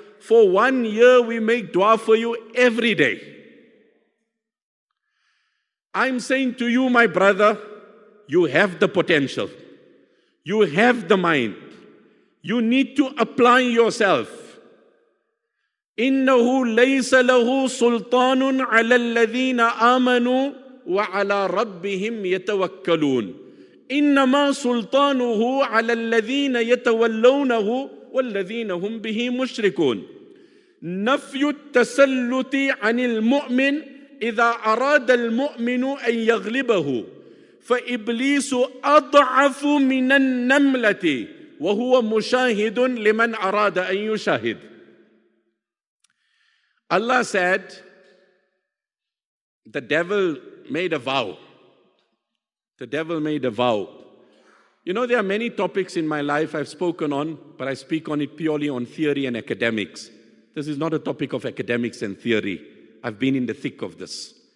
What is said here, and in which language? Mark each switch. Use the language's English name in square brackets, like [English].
[English] For 1 year, we make dua for you every day. I'm saying to you, my brother, you have the potential. You have the mind. You need to apply yourself. [Arabic] إِنَّهُ لَيْسَ لَهُ سُلْطَانٌ عَلَى الَّذِينَ آمَنُوا وَعَلَى رَبِّهِمْ يَتَوَكَّلُونَ إِنَّمَا سُلْطَانُهُ عَلَى الَّذِينَ يَتَوَلَّوْنَهُ وَالَّذِينَ هُمْ بِهِ مُشْرِكُونَ نفي التسلط عن المؤمن إذا أراد المؤمن أن يغلبه فإبليس أضعف من النملة وهو مشاهد لمن أراد أن يشاهد. [English] Allah said, the devil made a vow. The devil made a vow. You know, there are many topics in my life I've spoken on, but I speak on it purely on theory and academics. This is not a topic of academics and theory. I've been in the thick of this.